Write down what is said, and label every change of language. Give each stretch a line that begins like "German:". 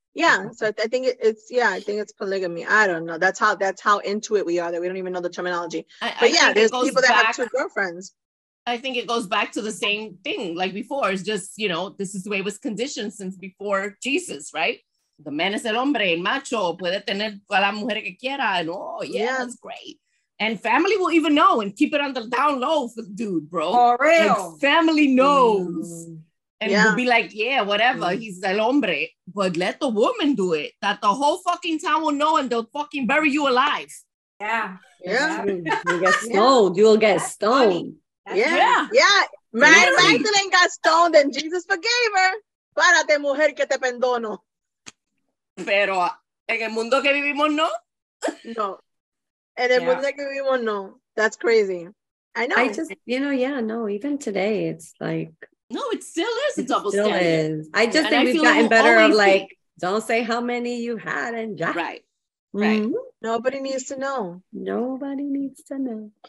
English: Yeah, so I think it's, yeah, I think it's polygamy. I don't know. That's how into it we are, that we don't even know the terminology. There's people that have two girlfriends. I think it goes back to the same thing like before. It's just, you know, this is the way it was conditioned since before Jesus, right? The man is
Spanish: el hombre, el macho, puede tener a la mujer que quiera.
English: And oh, yeah, that's great. And family will even know and keep it on the down low for the dude, bro. For real. Like, family knows. And we'll be like, yeah, whatever, he's
Spanish: el hombre.
English: But let the woman do it, that the whole fucking town will know and they'll fucking bury you alive. Yeah. You'll get stoned. Magdalene got stoned and Jesus forgave her.
Spanish: Párate, mujer, que te perdono. Pero en el mundo que vivimos, no.
English: No. That's crazy. I know. I just, you know, yeah, no, even today it's like. No, it still is a double standard. I just think we've gotten better of like, don't say how many you had and just. Right. Nobody needs to know. Nobody needs to know.